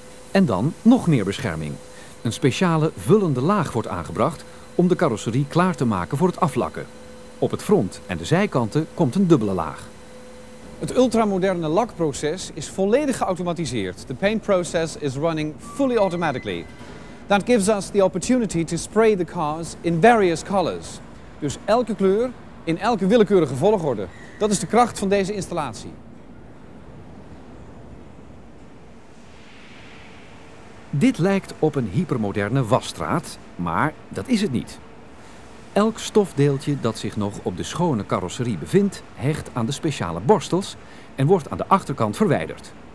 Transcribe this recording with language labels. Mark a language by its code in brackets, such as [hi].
[nl] En dan nog meer bescherming. Een speciale vullende laag wordt aangebracht om de carrosserie klaar te maken voor het aflakken. Op het front en de zijkanten komt een dubbele laag. Het ultramoderne lakproces is volledig geautomatiseerd. [en] The paint process is running fully automatically. That gives us the opportunity to spray the cars in various colors. [nl] Dus elke kleur in elke willekeurige volgorde. Dat is de kracht van deze installatie. Dit lijkt op een hypermoderne wasstraat, maar dat is het niet. Elk stofdeeltje dat zich nog op de schone carrosserie bevindt, hecht aan de speciale borstels en wordt aan de achterkant verwijderd.